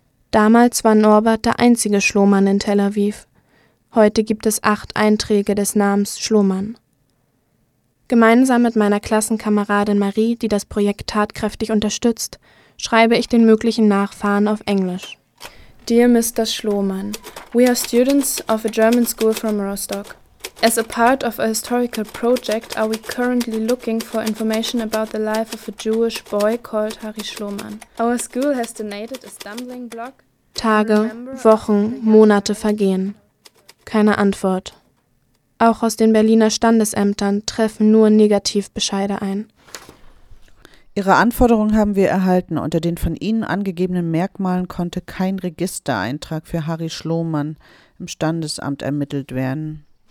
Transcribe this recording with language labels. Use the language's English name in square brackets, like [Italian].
[German] Damals war Norbert der einzige Schlohmann in Tel Aviv. Heute gibt es 8 Einträge des Namens Schlohmann. Gemeinsam mit meiner Klassenkameradin Marie, die das Projekt tatkräftig unterstützt, schreibe ich den möglichen Nachfahren auf Englisch. [English] Dear Mr. Schlohmann, we are students of a German school from Rostock. As a part of a historical project, are we currently looking for information about the life of a Jewish boy called Harry Schloman? Our school has donated a stumbling block. [German] Tage, Wochen, Monate vergehen. Keine Antwort. Auch aus den Berliner Standesämtern treffen nur Negativbescheide ein. Ihre Anforderung haben wir erhalten. Unter den von Ihnen angegebenen Merkmalen konnte kein Registereintrag für Harry Schloman im Standesamt ermittelt werden.